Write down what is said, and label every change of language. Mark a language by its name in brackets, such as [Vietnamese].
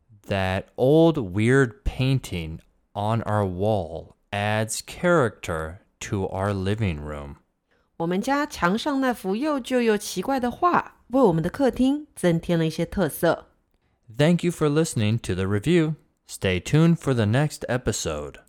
[English] That old weird painting on our wall adds character to our living room. [Chinese] 我们家墙上那幅又旧又奇怪的画为我们的客厅增添了一些特色。 [English] Thank you for listening to the review. Stay tuned for the next episode.